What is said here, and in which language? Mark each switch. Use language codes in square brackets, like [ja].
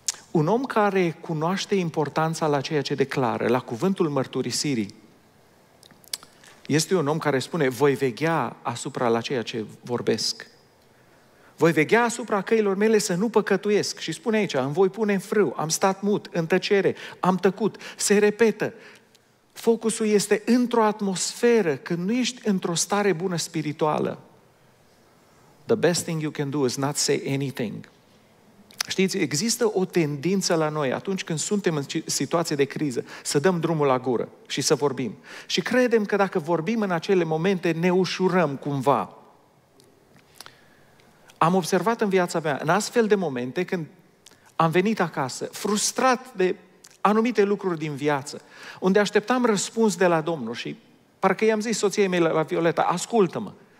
[ro] Un om care cunoaște importanța la ceea ce declară, la cuvântul mărturisirii, este un om care spune, voi veghea asupra la ceea ce vorbesc. Voi veghea asupra căilor mele să nu păcătuiesc. Și spune aici, îmi voi pune în frâu, am stat mut, în tăcere, am tăcut. Se repetă. Focusul este într-o atmosferă, când nu ești într-o stare bună spirituală. [en] The best thing you can do is not say anything. [ro] Știți, există o tendință la noi, atunci când suntem în situație de criză, să dăm drumul la gură și să vorbim. Și credem că dacă vorbim în acele momente, ne ușurăm cumva. Am observat în viața mea, în astfel de momente, când am venit acasă, frustrat de anumite lucruri din viață, unde așteptam răspuns de la Domnul și parcă i-am zis soției mele, la Violeta, ascultă-mă.